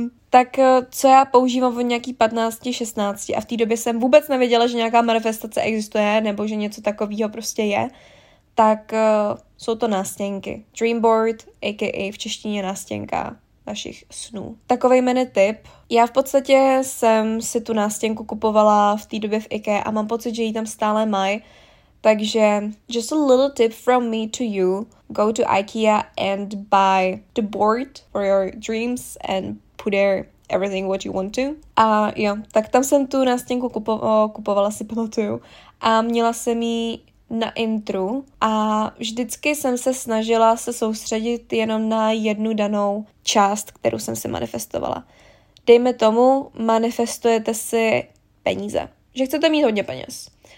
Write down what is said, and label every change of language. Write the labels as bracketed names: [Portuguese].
[Czech] Tak co já používám od nějakých 15-16 a v té době jsem vůbec nevěděla, že nějaká manifestace existuje, nebo že něco takového prostě je, tak jsou to nástěnky. Dream board, aka v češtině nástěnka našich snů. Takovej mini tip. Já v podstatě jsem si tu nástěnku kupovala v té době v IKEA a mám pocit, že ji tam stále mají. Takže [English] just a little tip from me to you. Go to IKEA and buy the board for your dreams and put there everything what you want to. [Czech] A jo, tak tam jsem tu nástěnku kupovala, si pamatuju. A měla jsem ji na intru a vždycky jsem se snažila se soustředit jenom na jednu danou část, kterou jsem si manifestovala. Dejme tomu, manifestujete si peníze, že chcete mít hodně peněz.